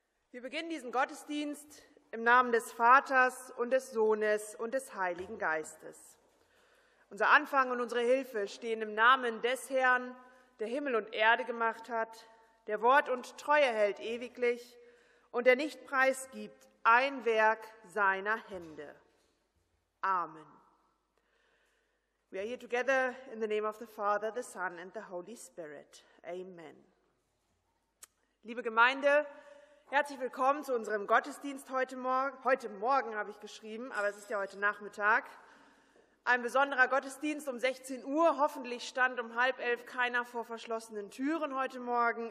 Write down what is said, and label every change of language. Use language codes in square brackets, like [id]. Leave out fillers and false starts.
[de] Wir beginnen diesen Gottesdienst im Namen des Vaters und des Sohnes und des Heiligen Geistes. Unser Anfang und unsere Hilfe stehen im Namen des Herrn, der Himmel und Erde gemacht hat, der Wort und Treue hält ewiglich und der nicht preisgibt ein Werk seiner Hände. Amen. [en] We are here together in the name of the Father, the Son and the Holy Spirit. Amen. [de] Liebe Gemeinde, herzlich willkommen zu unserem Gottesdienst heute Morgen. Heute Morgen habe ich geschrieben, aber es ist ja heute Nachmittag. Ein besonderer Gottesdienst um 16 Uhr. Hoffentlich stand um 10:30 keiner vor verschlossenen Türen heute Morgen.